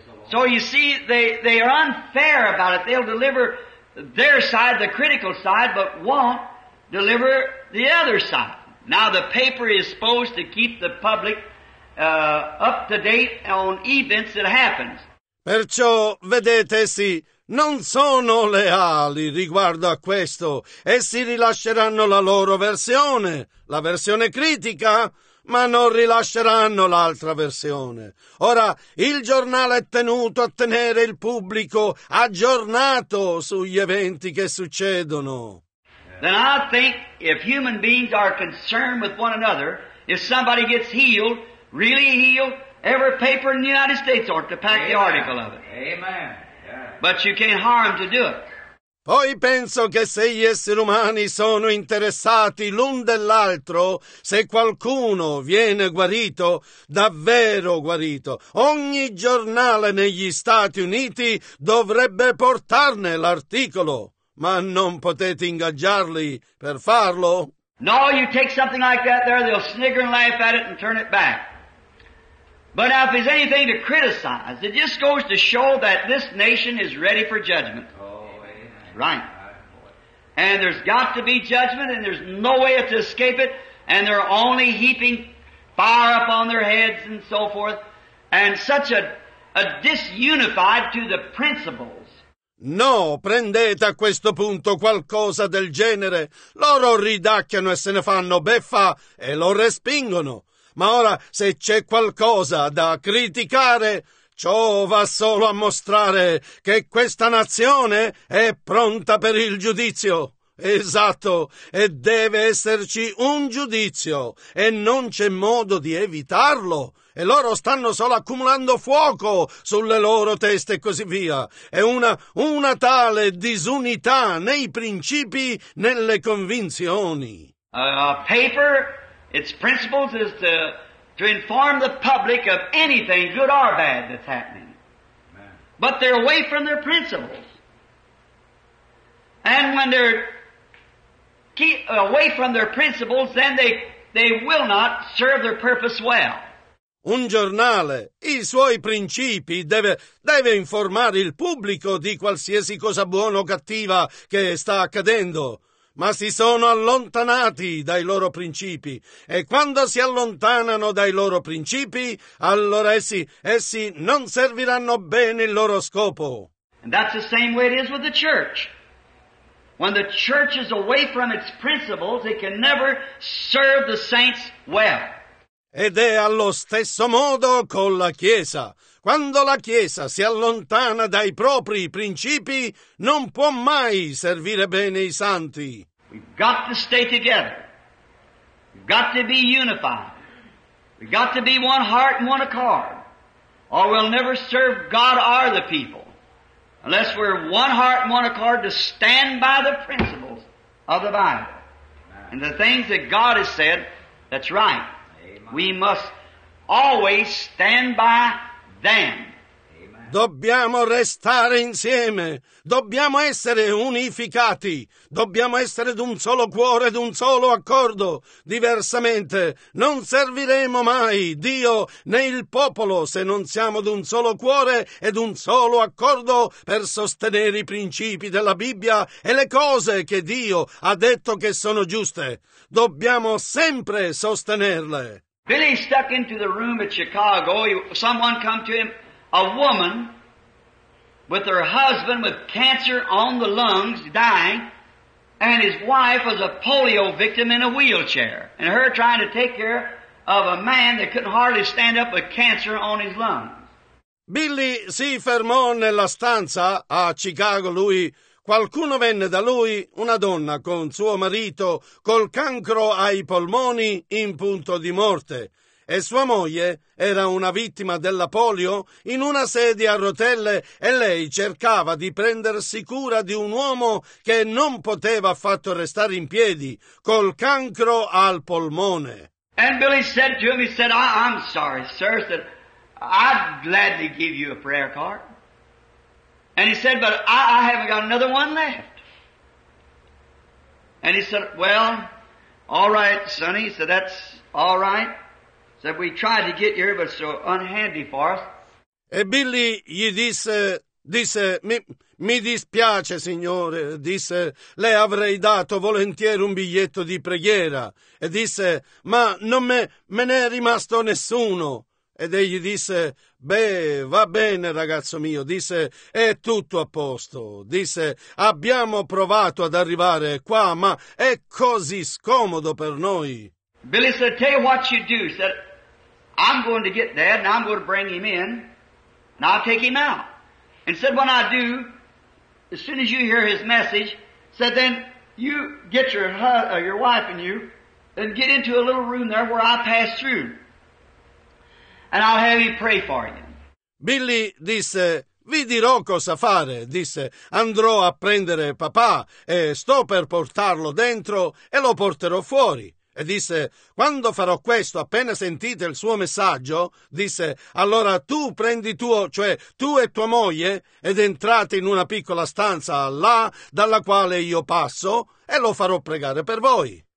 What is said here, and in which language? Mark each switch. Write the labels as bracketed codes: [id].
[en] So you see, they are unfair about it. They'll deliver their side, the critical side, but won't deliver the other side. Now the paper is supposed to keep the public up to date on events that happens. [it] Perciò, vedete, sì, non sono leali riguardo a questo. Essi rilasceranno la loro versione, la versione critica, ma non rilasceranno l'altra versione. Ora, il giornale è tenuto a tenere il pubblico aggiornato sugli eventi che succedono. [en] Then I think if human beings are concerned with one another, if somebody gets healed, really healed, every paper in the United States ought to pack the article of it. Amen. But you can't harm to do it. [it] Poi penso che se gli esseri umani sono interessati l'un dell'altro, se qualcuno viene guarito, davvero guarito, ogni giornale negli Stati Uniti dovrebbe portarne l'articolo. Ma non potete ingaggiarli per farlo. [en] No, you take something like that there, they'll snigger and laugh at it and turn it back. But if there's anything to criticize, it just goes to show that this nation is ready for judgment. Right. And there's got to be judgment, and there's no way to escape it, and they're only heaping fire upon their heads and so forth, and such a disunified to the principles. [it] No, prendete a questo punto qualcosa del genere. Loro ridacchiano e se ne fanno beffa e lo respingono. Ma ora, se c'è qualcosa da criticare, ciò va solo a mostrare che questa nazione è pronta per il giudizio. Esatto, e deve esserci un giudizio, e non c'è modo di evitarlo. E loro stanno solo accumulando fuoco sulle loro teste e così via. È una tale disunità nei principi, nelle convinzioni. [en] Paper, its principles is to inform the public of anything, good or bad, that's happening. But they're away from their principles. And when they're away from their principles, then they will not serve their purpose well. [it] Un giornale, i suoi principi, deve informare il pubblico di qualsiasi cosa buona o cattiva che sta accadendo. Ma si sono allontanati dai loro principi, e quando si allontanano dai loro principi, allora essi non serviranno bene il loro scopo. [en] And that's the same way it is with the church. When the church is away from its principles, it can never serve the saints well. [it] Ed è allo stesso modo con la Chiesa. Quando la Chiesa si allontana dai propri principi, non può mai servire bene i santi. [en] We've got to stay together. We've got to be unified. We've got to be one heart and one accord. Or we'll never serve God or the people. Unless we're one heart and one accord to stand by the principles of the Bible. And the things that God has said, that's right. We must always stand by them. [it] Dobbiamo restare insieme. Dobbiamo essere unificati. Dobbiamo essere d'un solo cuore, d'un solo accordo. Diversamente, non serviremo mai Dio né il popolo se non siamo d'un solo cuore e d'un solo accordo per sostenere i principi della Bibbia e le cose che Dio ha detto che sono giuste. Dobbiamo sempre sostenerle. [en] Billy stuck into the room at Chicago. Someone come to him, a woman with her husband with cancer on the lungs, dying, and his wife was a polio victim in a wheelchair, and her trying to take care of a man that couldn't hardly stand up with cancer on his lungs. [it] Billy si fermò nella stanza a Chicago, lui. Qualcuno venne da lui, una donna con suo marito, col cancro ai polmoni in punto di morte, e sua moglie era una vittima della polio in una sedia a rotelle e lei cercava di prendersi cura di un uomo che non poteva affatto restare in piedi, col cancro al polmone. [en] And Billy said to him, he said, I'm sorry, sir, said, I'd gladly give you a prayer card. And he said, but I haven't got another one left. And he said, well, all right, sonny. He said, that's all right. He said, we tried to get here, but it's so unhandy for us. [it] E Billy gli disse, mi dispiace, signore, disse, le avrei dato volentieri un biglietto di preghiera. E disse, ma non me ne è rimasto nessuno. Ed egli disse, beh, va bene, ragazzo mio, disse, è tutto a posto. Disse, abbiamo provato ad arrivare qua, ma è così scomodo per noi. [en] Billy said, tell you what you do. He said, I'm going to get there and I'm going to bring him in. And I'll take him out. And said, when I do, as soon as you hear his message, said, then you get your wife and you, and get into a little room there where I pass through. And I'll have him pray for you. [it] Billy disse, vi dirò cosa fare. Disse, andrò a prendere papà e sto per portarlo dentro e lo porterò fuori. E disse, quando farò questo, appena sentite il suo messaggio, disse, allora tu prendi tu e tua moglie ed entrate in una piccola stanza là dalla quale io passo e lo farò pregare per voi.